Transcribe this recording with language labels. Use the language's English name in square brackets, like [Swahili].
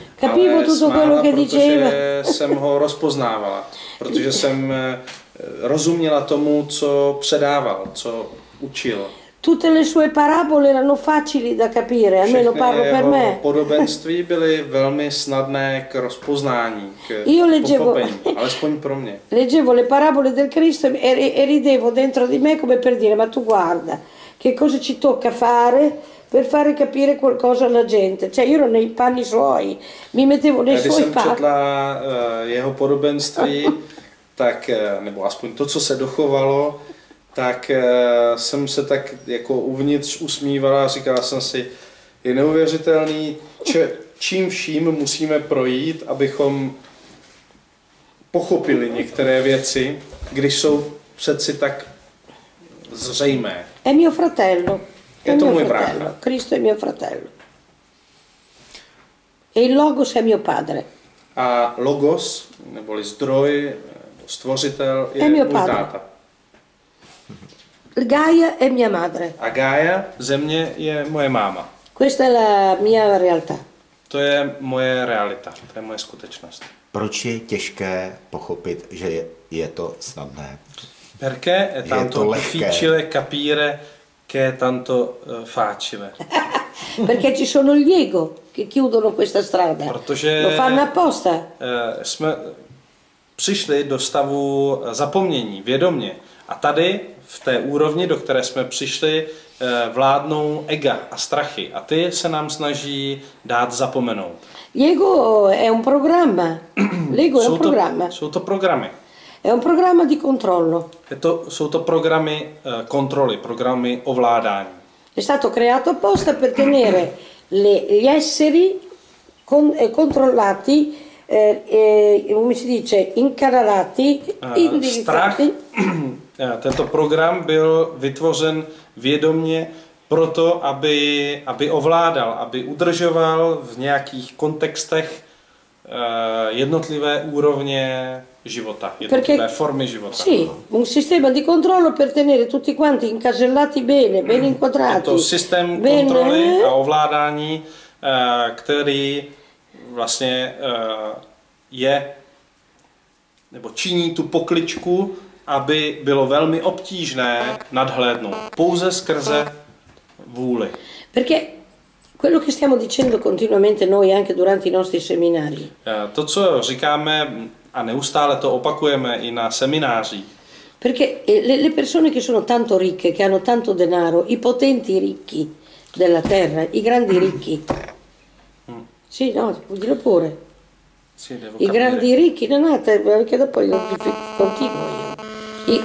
[Italian] Capivo tutto quello che diceva. [Czech] Jsem ho rozpoznávala, protože jsem rozuměla tomu, co předával, co učil. [Italian] Tutte le sue parabole erano facili da capire, almeno parlo per me. [Czech] Jeho podobenství byly velmi snadné k rozpoznání, k pochopení, alespoň pro mě. [Italian] Leggevo le parabole del Cristo e ridevo dentro di me come per dire, ma tu guarda, che cosa ci tocca fare per fare capire qualcosa alla gente. Cioè io ero nei panni suoi, mi mettevo nei suoi panni. [Czech] Když jsem četla jeho podobenství, tak, nebo aspoň to, co se dochovalo, tak jsem se tak jako uvnitř usmívala a říkala jsem si, je neuvěřitelný, čím vším musíme projít, abychom pochopili některé věci, když jsou přeci tak zřejmé. [Italian] È mio fratello. [Czech] Je to můj brácha. [Italian] Cristo è mio fratello. E il logos è mio padre. [Czech] A logos, neboli zdroj, stvořitel, je můj [Italian] padre. [Czech] Táta. [Italian] Gaia è mia madre. [Czech] A Gaia, Země je moje máma. [Italian] Questa è la mia realtà. [Czech] To je moje realita, to je moje skutečnost. Proč je těžké pochopit, že je to snadné? [Italian] Perché è tanto difficile capire che è tanto facile. Perché ci sono gli ego che chiudono questa strada. [Czech] Protože [Italian] lo fanno apposta. [Czech] Jsme přišli do stavu zapomnění, vědomě. A tady v té úrovni, do které jsme přišli, vládnou ega a strachy. A ty se nám snaží dát zapomenout. [Italian] Ego è un programma. L'ego è un programma. [Czech] Jsou to programy. [Italian] È un programma di controllo. [Czech] Jsou to programy kontroly, programy ovládání. [Italian] È stato creato apposta per tenere gli esseri controllati. Come si dice, incanalati, indirizzati. [Czech] Tento program byl vytvořen vědomně proto, aby ovládal, aby udržoval v nějakých kontextech jednotlivé úrovně života, jednotlivé [Italian] perché, [Czech] formy života. [Italian] Sì, un sistema di controllo per tenere tutti quanti incasellati bene, ben inquadrati. [Czech] Je to systém kontroly a ovládání, který vlastně je, nebo činí tu pokličku, aby bylo velmi obtížné nadhlédnout pouze skrze vůli. [Italian] Perché quello che stiamo dicendo continuamente noi anche durante i nostri seminari. [Czech] To, co říkáme a neustále to opakujeme i na seminářích. [Italian] Perché le persone che sono tanto ricche, che hanno tanto denaro, i potenti ricchi della terra, i grandi ricchi. Sì, no, vuol dire pure. Sì, devo I capire. Grandi ricchi, no, no, perché dopo continuo io.